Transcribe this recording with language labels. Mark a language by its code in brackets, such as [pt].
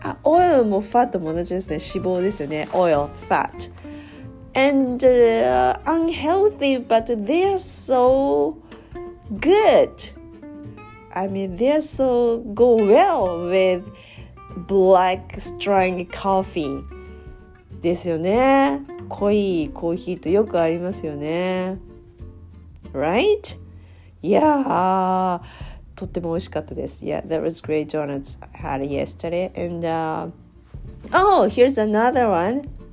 [ja] Oil もファットも同じですね。脂肪ですよね。Oil, fat. [en] And unhealthy, but they're so...good I mean, they so go well with black strong coffee. [ja] ですよね。濃いコーヒーとよくありますよね。 [en] Right? Yeah. [ja] とっても美味しかったです。 [en] Yeah, that was great donuts I had yesterday. And, oh, here's another one.